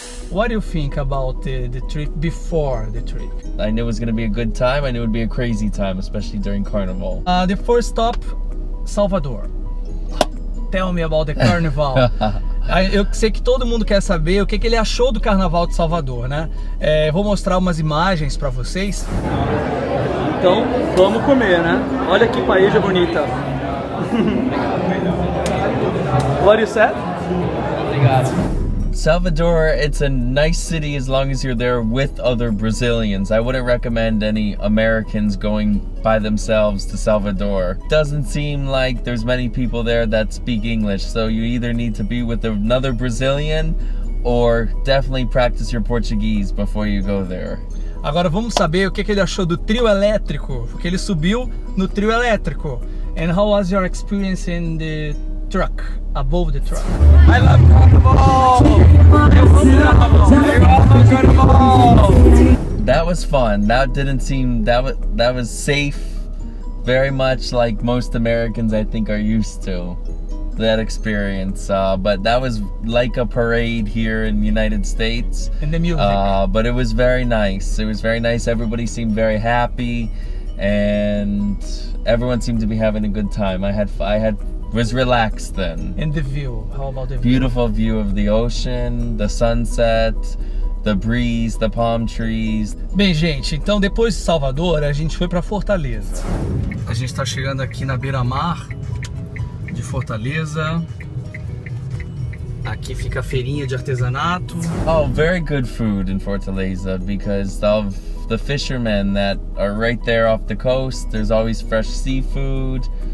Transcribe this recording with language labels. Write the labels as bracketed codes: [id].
[en] What do you think about the trip before the trip? I knew it was going to be a good time and it would be a crazy time, especially during Carnival. The first stop, Salvador. Tell me about the Carnival. [pt] Eu sei que todo mundo quer saber o que, que ele achou do Carnaval de Salvador, né? É, vou mostrar umas imagens para vocês. Então, vamos comer, né? Olha que paella bonita. [en] What do you say? [pt] Obrigado. [en] Salvador, it's a nice city as long as you're there with other Brazilians. I wouldn't recommend any Americans going by themselves to Salvador. Doesn't seem like there's many people there that speak English, so you either need to be with another Brazilian or definitely practice your Portuguese before you go there. [pt] Agora vamos saber o que ele achou do trio elétrico, porque ele subiu no trio elétrico. [en] And how was your experience in the truck? Above the truck. I love Carnival! That was fun. That didn't seem that was safe. Very much like most Americans I think are used to that experience. But that was like a parade here in the United States. And the music. But it was very nice. It was very nice. Everybody seemed very happy and everyone seemed to be having a good time. I was relaxed then. And the view, how about the view? Beautiful view of the ocean, the sunset, the breeze, the palm trees. [pt] Bem, gente, então depois de Salvador, a gente foi para Fortaleza. A gente tá chegando aqui na beira-mar de Fortaleza. Aqui fica a feirinha de artesanato. [en] Oh, very good food in Fortaleza because of the fishermen that are right there off the coast. There's always fresh seafood.